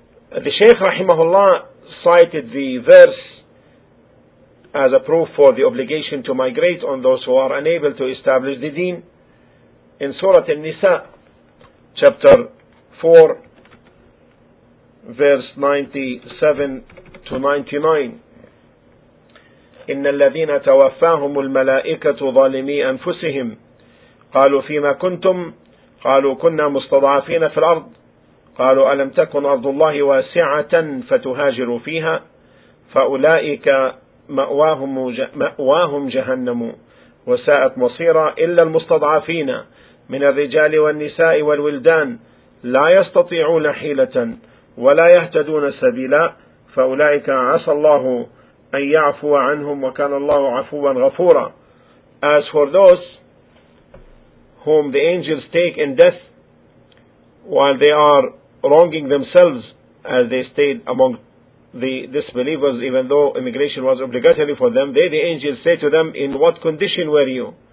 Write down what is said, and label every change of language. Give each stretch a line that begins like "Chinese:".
English: The Shaykh rahimahullah cited the verse as a proof for the obligation to migrate on those who are unable to establish the deen in Surah An-Nisa, chapter 4, verse 97 to 99.
Arabic: إن الذين توفاهم الملائكة ظالمي أنفسهم قالوا فيما كنتم قالوا كنا مستضعفين في الأرض قالوا ألم تكن أرض الله واسعة فتهاجروا فيها فأولئك مأواهم جهنم وساءت مصيرا إلا المستضعفين من الرجال والنساء والولدان لا يستطيعون حيلة ولا يهتدون سبيلا فأولئك عسى الله أن يعفو عنهم وكان الله عفوا غفورا.
English: As for those whom the angels take in death while they are wronging themselves as they stayed among the disbelievers, even though immigration was obligatory for them, they, the angels, say to them, in what condition were you?